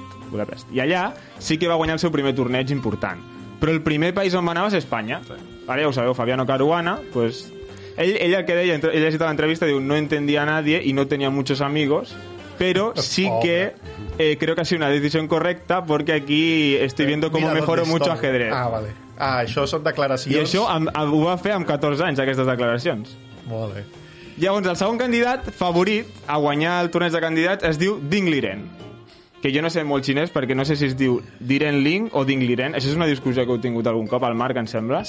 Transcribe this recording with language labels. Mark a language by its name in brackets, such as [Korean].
[Catalan] Budapest. I allà sí que va guanyar el seu primer torneig important. Però el primer país on va anar va ser Espanya. Sí. Ara ja ho sabeu, Fabiano Caruana, pues, ell el que deia, ell ha llegit a l'entrevista, diu, [Spanish] no entendia a nadie y no tenía muchos amigos, pero sí que creo que ha sido una decisión correcta porque aquí estoy viendo cómo mejoro mucho ajedrez. [Catalan] Ah, vale. Ah, això són declaracions. I això ho va fer amb 14 anys, aquestes declaracions. Molt bé. Llavors, el segon candidat favorit a guanyar el torneig de candidats es diu Ding Liren, que jo no sé molt xinès perquè no sé si es diu Diren Ling o Ding Liren. Això és una discussió que he tingut algun cop al Marc, em sembla.